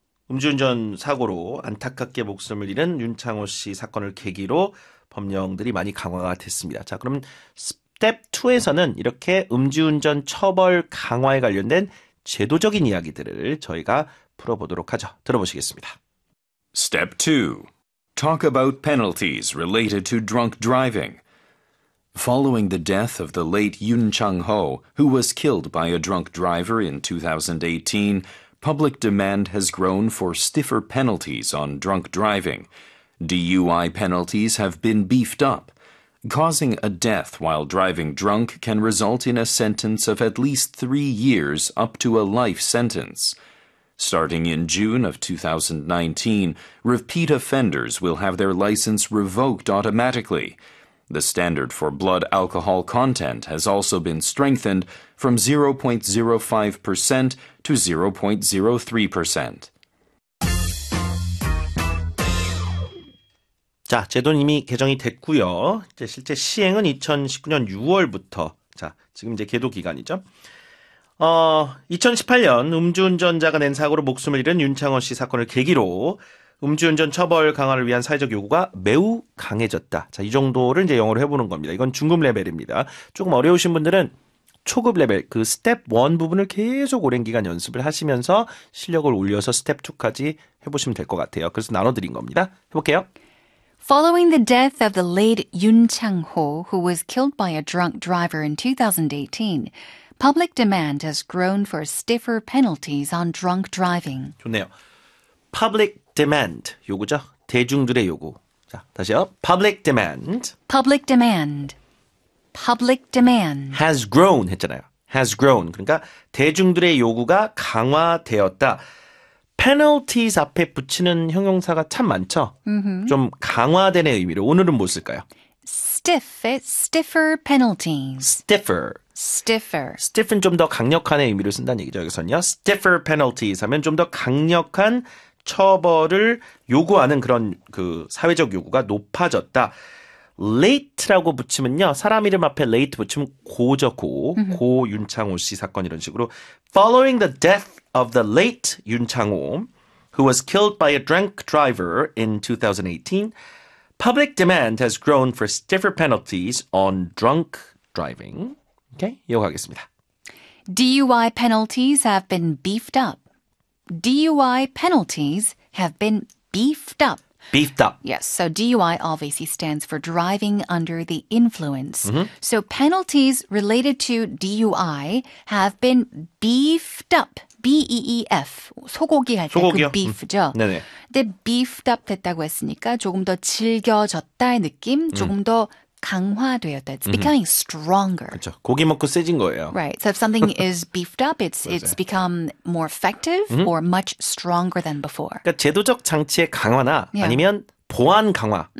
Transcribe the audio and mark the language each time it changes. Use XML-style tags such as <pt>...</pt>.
<ko>음주운전 사고로 안타깝게 목숨을 잃은 윤창호 씨 사건을 계기로 법령들이 많이 강화가 됐습니다. 자, 그럼 스텝 2에서는 이렇게 음주운전 처벌 강화에 관련된 제도적인 이야기들을 저희가 풀어보도록 하죠. 들어보시겠습니다.</ko> <en>Step 2. Talk about penalties related to drunk driving. Following the death of the late Yun Chang-ho, who was killed by a drunk driver in 2018, public demand has grown for stiffer penalties on drunk driving. DUI penalties have been beefed up. Causing a death while driving drunk can result in a sentence of at least 3 years up to a life sentence. Starting in June of 2019, repeat offenders will have their license revoked automatically. The standard for blood alcohol content has also been strengthened from 0.05% to 0.03%.</en> <ko>자, 제도는 이미 개정이 됐고요. 이제 실제 시행은 2019년 6월부터. 자, 지금 이제 개도 기간이죠. 2018년 음주운전자가 낸 사고로 목숨을 잃은 윤창원 씨 사건을 계기로 음주운전 처벌 강화를 위한 사회적 요구가 매우 강해졌다. 자, 이 정도를 이제 영어로 해보는 겁니다. 이건 중급 레벨입니다. 조금 어려우신 분들은 초급 레벨, 그 스텝 1 부분을 계속 오랜 기간 연습을 하시면서 실력을 올려서 스텝 2까지 해보시면 될 것 같아요. 그래서 나눠드린 겁니다. 해볼게요.</ko> <en>Following the death of the late Yun Chang-ho, who was killed by a drunk driver in 2018, public demand has grown for stiffer penalties on drunk driving.</en> <ko>좋네요. Public demand, 요구죠? 대중들의 요구. 자, 다시요. Public demand.</ko> <en>Public demand. Public demand.</en> <ko>Has grown, 했잖아요.</ko> <en>Has grown.</en> <ko>그러니까 대중들의 요구가 강화되었다. Penalties 앞에 붙이는 형용사가 참 많죠? Mm-hmm. 좀 강화되는 의미로 오늘은 뭐 쓸까요?</ko> <en>Stiff, stiffer penalties. Stiffer. stiffer.</en> <ko>Stiff은 좀 더 강력한의 의미를 쓴다는 얘기죠. 여기서는요.</ko> <en>Stiffer penalties</en> <ko>하면 좀 더 강력한 처벌을 요구하는 그런 그 사회적 요구가 높아졌다. late라고 붙이면요. 사람 이름 앞에 late 붙이면 고저고, 고 윤창호 씨 사건 이런 식으로.</ko> <en>Following the death of the late 윤창호, who was killed by a drunk driver in 2018, public demand has grown for stiffer penalties on drunk driving.</en> <ko>오케이, 이거 가겠습니다.</ko> <en>DUI penalties have been beefed up. DUI penalties have been beefed up. Beefed up. Yes, so DUI obviously stands for driving under the influence. Mm-hmm. So penalties related to DUI have been beefed up. B-E-E-F.</en> <ko>소고기 할 때 그 beef죠. 네네. 근데 beefed up 됐다고 했으니까 조금 더 질겨졌다의 느낌, 조금 더 강화되었다.</ko> <en>It's becoming stronger.</en> <ko>그렇죠. 고기 먹고 세진 거예요.</ko> <en>Right. So if something is beefed up, it's become more effective or much stronger than before.</en> <ko>그러니까 제도적 장치의 강화나 아니면 보안 강화.</ko>